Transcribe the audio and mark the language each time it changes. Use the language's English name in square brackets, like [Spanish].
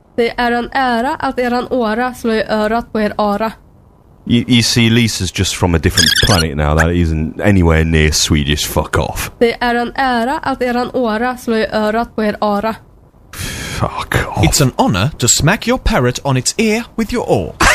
[Swedish] Det är en ära att eran åra slår i örat på er ara. [English] You see, Lisa's just from a different planet now. That isn't anywhere near Swedish. Fuck off. [Swedish] Det är en ära att eran åra slår i örat på er ara. [English] Fuck off. It's an honor to smack your parrot on its ear with your oar.